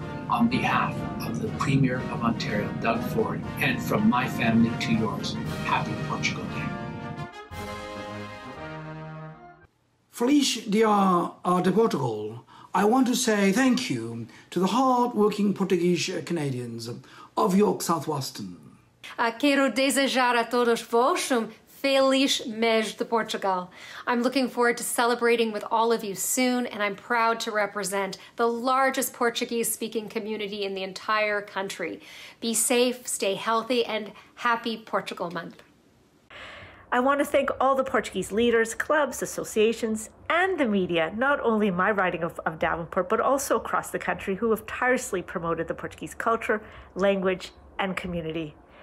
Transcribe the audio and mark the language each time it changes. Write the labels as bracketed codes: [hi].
[en] On behalf of the Premier of Ontario, Doug Ford, and from my family to yours, happy Portugal Day. [pt] Feliz Dia de Portugal. [en] I want to say thank you to the hard-working Portuguese Canadians of York Southwestern. [pt] Quero desejar a todos vós um Feliz Mês de Portugal. [en] I'm looking forward to celebrating with all of you soon, and I'm proud to represent the largest Portuguese-speaking community in the entire country. Be safe, stay healthy, and happy Portugal Month. I want to thank all the Portuguese leaders, clubs, associations, and the media, not only my riding of Davenport, but also across the country, who have tirelessly promoted the Portuguese culture, language, and community.